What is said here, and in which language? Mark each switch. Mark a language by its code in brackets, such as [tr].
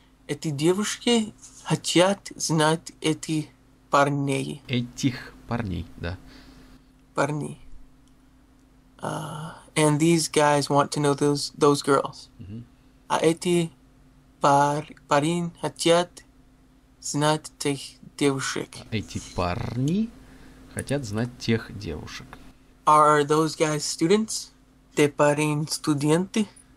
[ru] Эти девушки хотят знать эти парней. Этих парней, да. Парни. [en] And these guys want to know those girls. [ru] А эти парень хотят знать тех девушек. Эти парни хотят знать тех девушек. [en] Are those guys students? [ru] Те парень студенты?